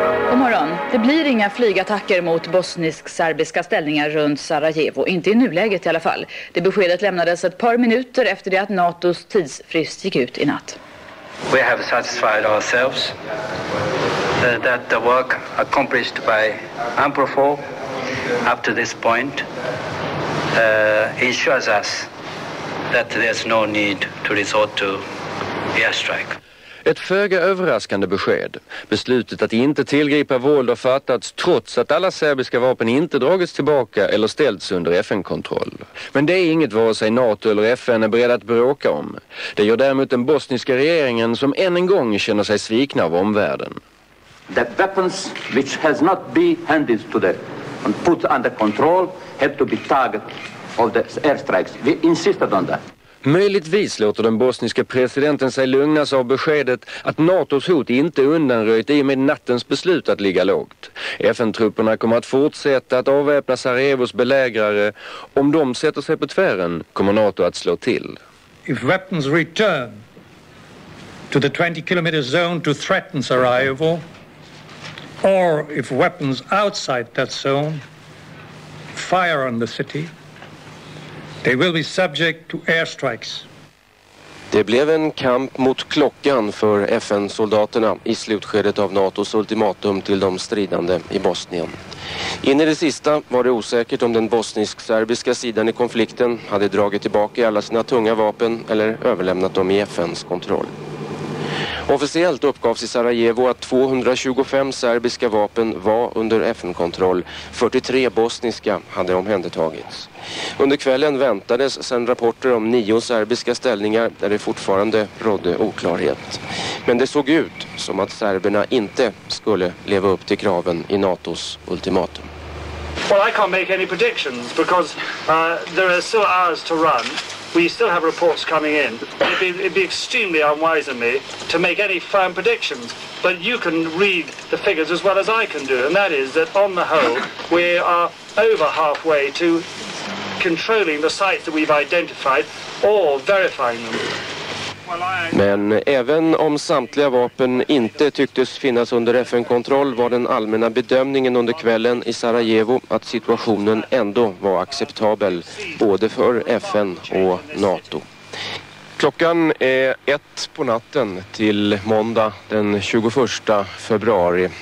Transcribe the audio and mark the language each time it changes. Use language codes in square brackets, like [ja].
[sv] God morgon. Det blir inga flygattacker mot bosnisk-serbiska ställningar runt Sarajevo. Inte i nuläget i alla fall. Det beskedet lämnades ett par minuter efter det att NATOs tidsfrist gick ut i natt. [en] We have satisfied ourselves that the work accomplished by AMPROFOR up to this point ensures us that there's no need to resort to airstrike. [sv] Ett föga överraskande besked. Beslutet att inte tillgripa våld har fattats trots att alla serbiska vapen inte dragits tillbaka eller ställts under FN-kontroll. Men det är inget vare sig NATO eller FN är beredda att bråka om. Det gör däremot den bosniska regeringen som än en gång känner sig svikna av omvärlden. [en] The weapons which has not been handed to them and put under control have to be target of the airstrikes. We insisted on that. [sv] Möjligtvis låter den bosniska presidenten sig lugnas av beskedet att NATOs hot inte undanröjt i och med nattens beslut att ligga lågt. FN-trupperna kommer att fortsätta att avväpna Sarajevos belägrare. Om de sätter sig på tvären kommer NATO att slå till. [en] If weapons return to the 20-kilometer zone to threaten Sarajevo, or if weapons outside that zone fire on the city, they will be subject to airstrikes. [sv] Det blev en kamp mot klockan för FN-soldaterna i slutskedet av NATOs ultimatum till de stridande i Bosnien. In i det sista var det osäkert om den bosnisk-serbiska sidan i konflikten hade dragit tillbaka alla sina tunga vapen eller överlämnat dem i FNs kontroll. Officiellt uppgavs i Sarajevo att 225 serbiska vapen var under FN-kontroll. 43 bosniska hade omhändertagits. Under kvällen väntades sedan rapporter om 9 serbiska ställningar där det fortfarande rådde oklarhet. Men det såg ut som att serberna inte skulle leva upp till kraven i NATOs ultimatum. [en] Well, I can't make any predictions because there are still hours to run. We still have reports coming in. It'd be extremely unwise of me to make any firm predictions. But you can read the figures as well as I can do, and that is that on the whole, we are over halfway to controlling the sites that we've identified or verifying them. [sv] Men även om samtliga vapen inte tycktes finnas under FN-kontroll var den allmänna bedömningen under kvällen i Sarajevo att situationen ändå var acceptabel både för FN och NATO. Klockan är 1 på natten till måndag den 21 februari.